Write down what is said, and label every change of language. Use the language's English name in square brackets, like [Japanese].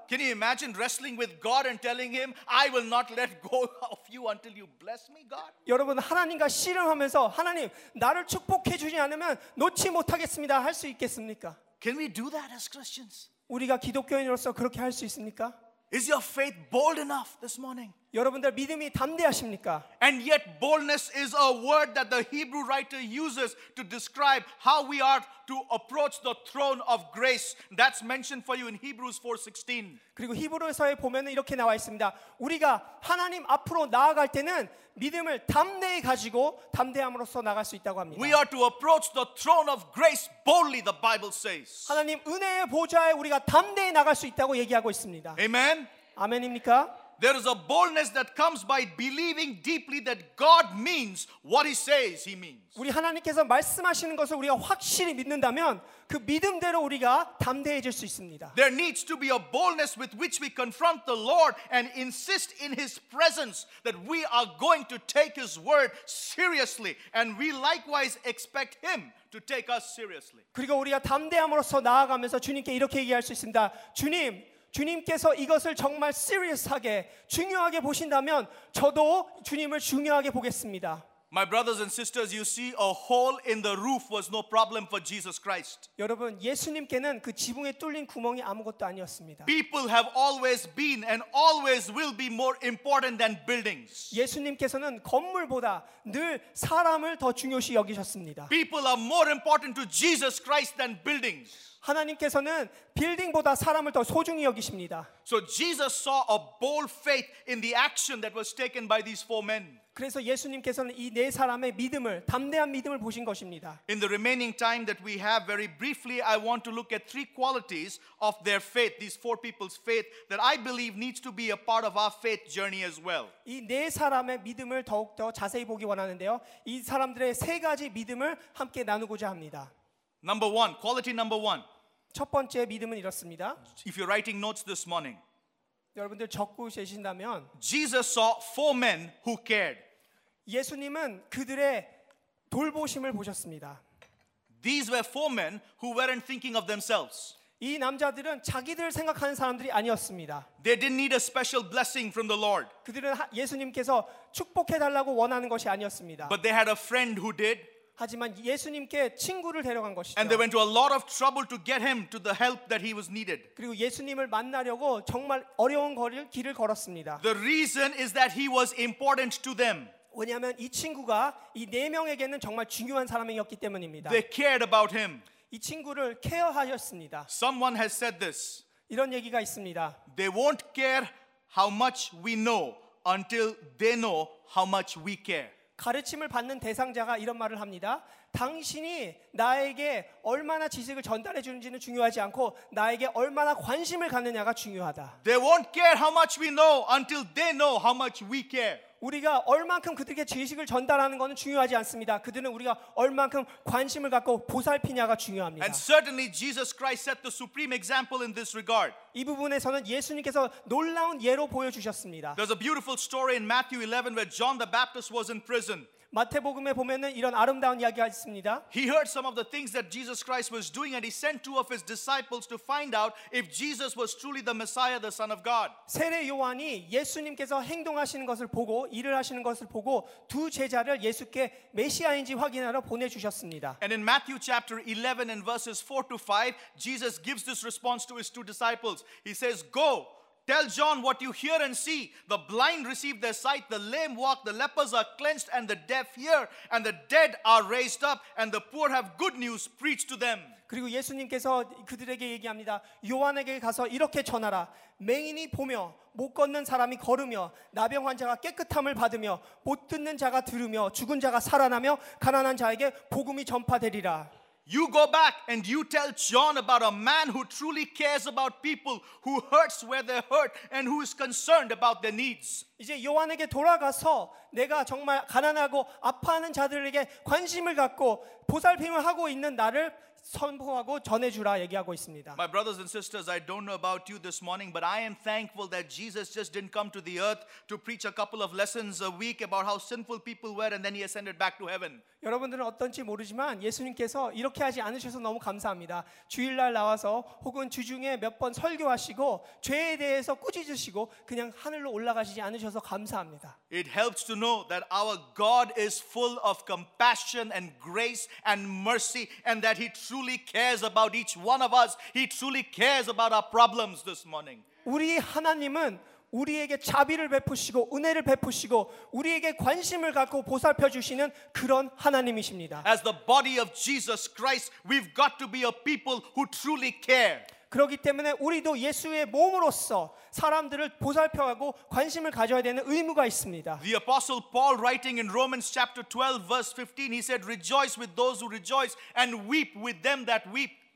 [English] Can you imagine wrestling with God and telling him, I will not let go of you until you bless me, God? [Korean] 여러분, 하나님과 씨름하면서 하나님, 나를 축복해 주지 않으면 놓지 못하겠습니다. 할 수 있겠습니까? [English] Can we do that as Christians? [Korean] 우리가 기독교인으로서 그렇게 할 수 있습니까? [English] Is your faith bold enough this morning? [Korean] 여러분들 믿음이 담대하십니까? [English] And yet boldness is a word that the Hebrew writer uses to describe how we are to approach the throne of grace. That's mentioned for you in Hebrews 4:16. [Korean] 그리고 히브리서에 보면은 이렇게 나와 있습니다. 우리가 하나님 앞으로 나아갈 때는 믿음을 담대히 가지고 담대함으로써 나갈 수 있다고 합니다. [English] We are to approach the throne of grace boldly, the Bible says. [Korean] 하나님 은혜의 보좌에 우리가 담대히 나갈 수 있다고 얘기하고 있습니다. [English] Amen. [Korean] 아멘입니까? [English] There is a boldness that comes by believing deeply that God means what He says He means. [Korean] 우리 하나님께서 말씀하시는 것을 우리가 확실히 믿는다면 그 믿음대로 우리가 담대해질 수 있습니다. [English] There needs to be a boldness with which we confront the Lord and insist in His presence that we are going to take His word seriously and we likewise expect Him to take us seriously. [Korean] 그리고 우리가 담대함으로써 나아가면서 주님께 이렇게 얘기할 수 있습니다. 주님. 주님께서 이것을 정말 serious하게 중요하게 보신다면 저도 주님을 중요하게 보겠습니다. [English] My brothers and sisters, you see, a hole in the roof was no problem for Jesus Christ. [Korean] 여러분, 예수님께는 그 지붕에 뚫린 구멍이 아무것도 아니었습니다. [English] People have always been and always will be more important than buildings. [Korean] 예수님께서는 건물보다 늘 사람을 더 중요시 여기셨습니다. [English] People are more important to Jesus Christ than buildings. [Korean] 하나님께서는 빌딩보다 사람을 더 소중히 여기십니다. [English] So Jesus saw a bold faith in the action that was taken by these four men. [Korean] 그래서 예수님께서는 이 네 사람의 믿음을 담대한 믿음을 보신 것입니다. [English] In the remaining time that we have, very briefly, I want to look at three qualities of their faith, these four people's faith, that I believe needs to be a part of our faith journey as well. [Korean] 이 네 사람의 믿음을 더욱 더 자세히 보기 원하는데요. 이 사람들의 세 가지 믿음을 함께 나누고자 합니다. [English] Number one, quality number one. [Korean] 첫 번째 믿음은 이렇습니다. [English] If you're writing notes this morning, [Korean] 여러분들 적고 계신다면, [English] Jesus saw four men who cared. [Korean] 예수님은 그들의 돌보심을 보셨습니다. [English] These were four men who weren't thinking of themselves. [Korean] 이 남자들은 자기들 생각하는 사람들이 아니었습니다. [English] They didn't need a special blessing from the Lord. [Korean] 그들은 예수님께서 축복해 달라고 원하는 것이 아니었습니다. [English] But they had a friend who did. [Korean] 하지만 예수님께 친구를 데려간 것이죠. [English] And they went to a lot of trouble to get him to the help that he was needed. [Korean] 그리고 예수님을 만나려고 정말 어려운 길을 걸었습니다. [English] The reason is that he was important to them. [Korean] 왜냐하면 이 친구가 이 네 명에게는 정말 중요한 사람이었기 때문입니다. [English] They cared about him. [Korean] 이 친구를 케어하셨습니다. [English] Someone has said this. [Korean] 이런 얘기가 있습니다. [English] They won't care how much we know until they know how much we care. [Korean] 가르침을 받는 대상자가 이런 말을 합니다. 당신이 나에게 얼마나 지식을 전달해 주는지는 중요하지 않고 나에게 얼마나 관심을 갖느냐가 중요하다. [English] They won't care how much we know until they know how much we care. [Korean] 우리가 얼만큼 그들에게 지식을 전달하는 것은 중요하지 않습니다. 그들은 우리가 얼만큼 관심을 갖고 보살피냐가 중요합니다. [English] And certainly Jesus Christ set the supreme example in this regard. [Korean] 이 부분에서는 예수님께서 놀라운 예로 보여주셨습니다. [English] There's a beautiful story in Matthew 11 where John the Baptist was in prison. [Korean] 마태복음에 보면은 이런 아름다운 이야기가 있습니다. [English] He heard some of the things that Jesus Christ was doing and he sent two of his disciples to find out if Jesus was truly the Messiah, the Son of God. [Korean] 세례 요한이 예수님께서 행동하시는 것을 보고 일을 하시는 것을 보고 두 제자를 예수께 메시아인지 확인하러 보내 주셨습니다. [English] And in Matthew chapter 11 and verses 4 to 5, Jesus gives this response to his two disciples. He says, "Go tell John what you hear and see. The blind receive their sight, the lame walk, the lepers are cleansed, and the deaf hear, and the dead are raised up, and the poor have good news preached to them." [Korean] 그리고 예수님께서 그들에게 얘기합니다. 요한에게 가서 이렇게 전하라. 맹인이 보며 못 걷는 사람이 걸으며 나병 환자가 깨끗함을 받으며 못 듣는 자가 들으며 죽은 자가 살아나며 가난한 자에게 복음이 전파되리라. [English] You go back and you tell John about a man who truly cares about people, who hurts where they hurt, and who is concerned about their needs. [Korean] 이제 요한에게 돌아가서 내가 정말 가난하고 아파하는 자들에게 관심을 갖고 보살핌을 하고 있는 나를 선포하고 전해주라 얘기하고 있습니다. [English] My brothers and sisters, I don't know about you this morning, but I am thankful that Jesus just didn't come to the earth to preach a couple of lessons a week about how sinful people were, and then he ascended back to heaven. [Korean] 여러분들은 어떤지 모르지만 예수님께서 이렇게 하지 않으셔서 너무 감사합니다. 주일날 나와서 혹은 주중에 몇 번 설교하시고 죄에 대해서 꾸짖으시고 그냥 하늘로 올라가시지 않으셔서 감사합니다. [English] It helps to know that our God is full of compassion and grace and mercy, and that He truly cares about each one of us. He truly cares about our problems this morning. [Korean] 우리 하나님은 우리에게 자비를 베푸시고 은혜를 베푸시고 우리에게 관심을 갖고 보살펴 주시는 그런 하나님이십니다. [English] As the body of Jesus Christ, we've got to be a people who truly care. [Korean] 그렇기 때문에 우리도 예수의 몸으로서 사람들을 보살펴하고 관심을 가져야 되는 의무가 있습니다. [English] The apostle Paul writing in Romans chapter 12 verse 15 he said rejoice with those who rejoice and weep with them that weep.